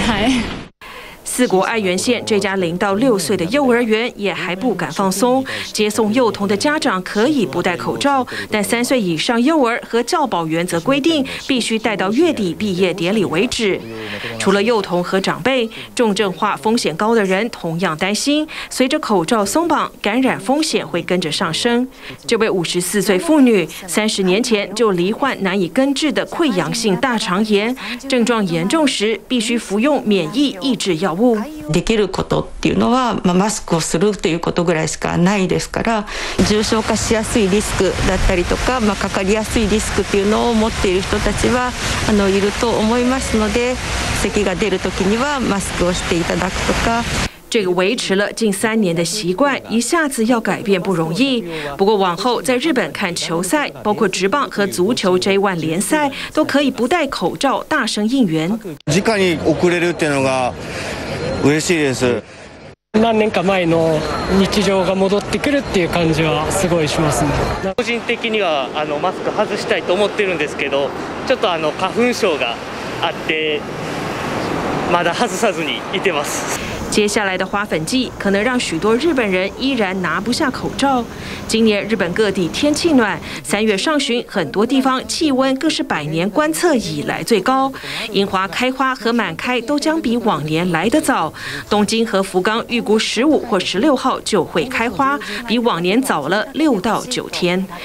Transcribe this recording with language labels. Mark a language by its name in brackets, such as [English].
[Japanese] はい。 [Chinese] 四国爱媛县这家0到6岁的幼儿园也还不敢放松，接送幼童的家长可以不戴口罩，但3岁以上幼儿和教保员则规定必须戴到月底毕业典礼为止。除了幼童和长辈，重症化风险高的人同样担心，随着口罩松绑，感染风险会跟着上升。这位54岁妇女30年前就罹患难以根治的溃疡性大肠炎，症状严重时必须服用免疫抑制药。 [Japanese] できることっていうのは、マスクをするということぐらいしかないですから、重症化しやすいリスクだったりとか、かかりやすいリスクっていうのを持っている人たちはいると思いますので、咳が出るときにはマスクをしていただくとか。 [Chinese] 这个维持了近3年的习惯，一下子要改变不容易。不过往后在日本看球赛，包括职棒和足球 J1 联赛，都可以不戴口罩大声应援。 [Japanese] 直に送れるっていうのが嬉しいです。何年か前の日常が戻ってくるっていう感じはすごいしますね。個人的にはマスク外したいと思ってるんですけど、ちょっと花粉症があって、まだ外さずにいてます。 [Chinese] 接下来的花粉季可能让许多日本人依然拿不下口罩。今年日本各地天气暖，三月上旬很多地方气温更是百年观测以来最高，樱花开花和满开都将比往年来得早。东京和福冈预估15或16号就会开花，比往年早了6到9天。